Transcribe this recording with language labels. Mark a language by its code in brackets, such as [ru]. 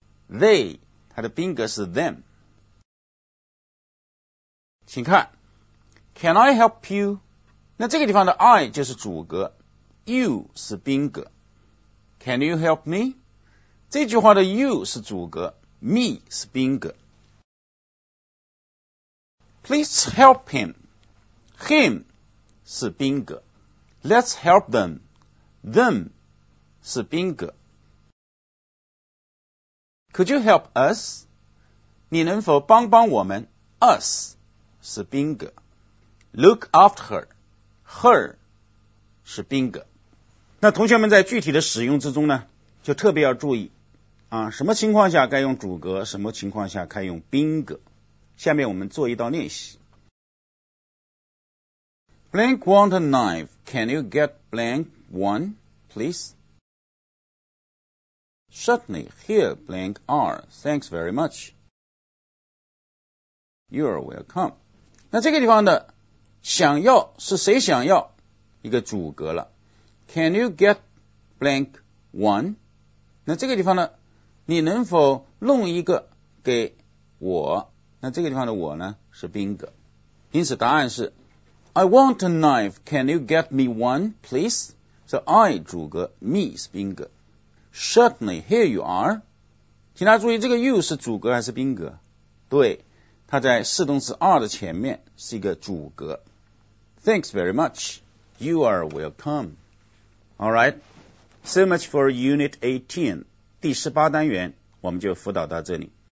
[zh] They, 她的宾格是 them。请看。 [en] Can I help you? [zh] 那这个地方的 I 就是主格 You 是宾格 [en] Can you help me? [zh] 这句话的 you 是主格 Me 是宾格 [en] Please help him [zh] Him 是宾格 [en] Let's help them [zh] Them 是宾格 [en] Could you help us? [zh] 你能否帮帮我们 [en] Us [zh] 是宾格 [en] Look after her. [zh] Her 是宾格。那同学们在具体的使用之中呢就特别要注意啊什么情况下该用主格什么情况下该用宾格。下面我们做一道练习。 [en] Blank want a knife. Can you get blank one, please? Certainly. Here blank are. Thanks very much. You're welcome. [zh] 那这个地方的想要是谁想要一个主格了 [en] Can you get blank one? [zh] 那这个地方呢你能否弄一个给我那这个地方的我呢是宾格因此答案是 [en] I want a knife Can you get me one please? So I [zh] 主格 [en] Me [zh] 是宾格 [en] Certainly here you are [zh] 请大家注意这个 you 是主格还是宾格对它在四动词 are 的前面是一个主格 [en] Thanks very much. You are welcome. All right. So much for Unit 18, [zh] 第十八单元，我们就辅导到这里。